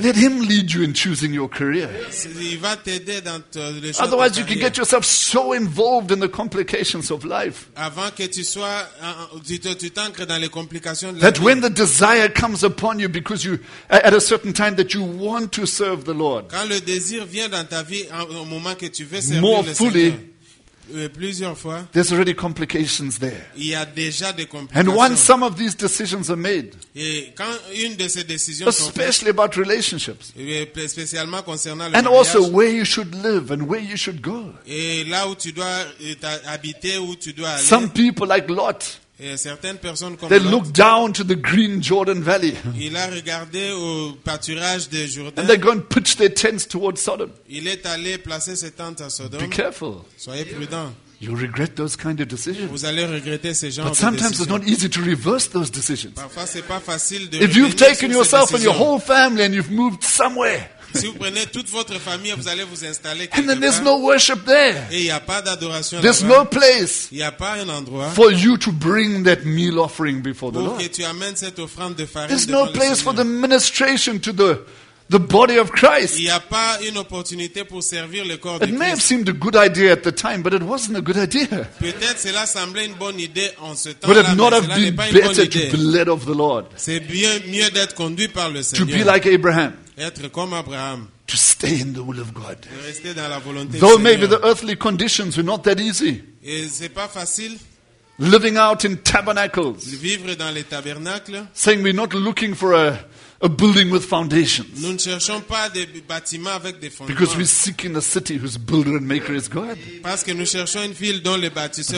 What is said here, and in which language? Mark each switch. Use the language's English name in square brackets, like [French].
[English] Let him lead you in choosing your career. [French] Il va t'aider dans les choix [English] Otherwise [French] de ta [English] you [French] carrière. [English] Can get yourself so involved in the complications of life. [French] Avant que tu sois tu t'ancres dans les complications de la [English] that [French] vie. [English] That when the desire comes upon you because you at a certain time that you want to serve the Lord. [French] Quand le désir vient dans ta vie au moment que tu veux servir [English] more [French] le [English] fully, [French] Seigneur, plusieurs fois, [English] there's already complications there. [French] Il y a déjà des complications. [English] And once some of these decisions are made, [French] et quand une de ces décisions [English] especially [French] sont faites, [English] about relationships, [French] spécialement concernant le [English] and [French] mariage, [English] also where you should live and where you should go. [French] Et là où tu dois habiter, où tu dois aller. [English] Some people like Lot, [French] et certaines personnes comme [English] they look down to the green Jordan Valley. [French] Il a regardé au pâturage des Jourdains. [English] And they're going to pitch their tents towards Sodom. [French] Il est allé placer ses tentes à Sodome. [English] Be careful. [French] Soyez prudent. [English] You regret those kind of decisions. [French] Vous allez regretter ces genres de décisions. [English] But sometimes it's not easy to reverse those decisions. [French] Parfois c'est pas facile de [English] if you've taken yourself and your whole family and you've moved somewhere. [French] Si vous prenez toute votre famille, vous allez vous installer [English] and then there's no worship there. [French] Et il n'y a pas d'adoration [English] there's [French] là-bas. [English] No place [French] il y a pas un endroit [English] for you to bring that meal offering before the Lord. [French] Pour que tu amènes cette offrande de farine [English] there's no place for the ministration to the body of Christ. [French] Il y a pas une opportunité pour servir le corps de [English] may Have seemed a good idea at the time, but it wasn't a good idea. [French] Peut-être cela semblait une bonne idée en ce temps-là. [English] Would it not have been better to be led of the Lord? [French] C'est bien mieux d'être conduit par le Seigneur. [English] To be like Abraham. [French] Être comme Abraham. [English] To stay in the will of God. [French] De rester dans la volonté [English] Though [French] du Seigneur. [English] Maybe the earthly conditions were not that easy. [French] Et c'est pas facile. [English] Living out in tabernacles. [French] Vivre dans les tabernacles. [English] Saying we're not looking for a building with foundations. [French] Nous ne cherchons pas des bâtiments avec des fondements. [English] Because we're seeking a city whose builder and maker is God. [French] Parce que nous cherchons une ville dont le bâtisseur